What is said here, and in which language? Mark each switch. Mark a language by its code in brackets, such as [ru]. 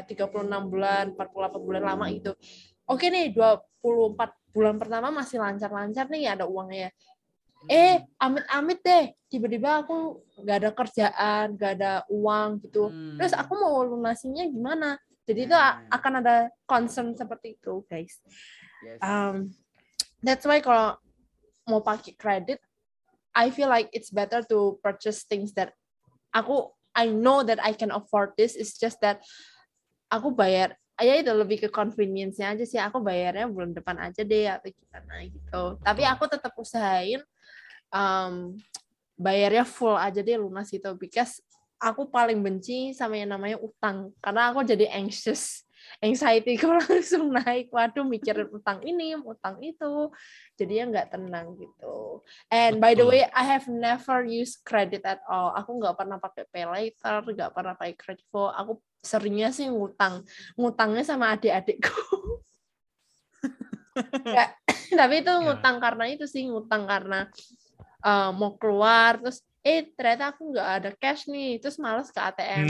[id] 36 bulan, 48 bulan lama gitu. Oke nih, 24 bulan pertama masih lancar-lancar nih ada uangnya. Amit-amit deh, tiba-tiba aku gak ada kerjaan, gak ada uang gitu. Terus aku mau lunasinya gimana? Jadi itu akan ada concern seperti itu, guys. [en] That's why [id] kalau mau pakai kredit, [en] I feel like it's better to purchase things that I know that I can afford this. It's just that [id] aku bayar, ya itu lebih ke convenience-nya aja sih. Aku bayarnya bulan depan aja deh atau gimana gitu. Tapi aku tetap usahain bayarnya full aja deh lunas itu, because aku paling benci sama yang namanya utang. Karena aku jadi anxious. Anxiety aku langsung naik. Waduh, mikirin utang ini, utang itu. Jadinya nggak tenang gitu. [en] And by the way, I have never used credit at all. [id] Aku nggak pernah pakai PayLater, nggak pernah pakai Kredivo. Aku seringnya sih ngutang. Ngutangnya sama adik-adikku. Tapi itu ngutang karena itu sih. Ngutang karena mau keluar, terus ternyata aku nggak ada cash nih, terus malas ke ATM.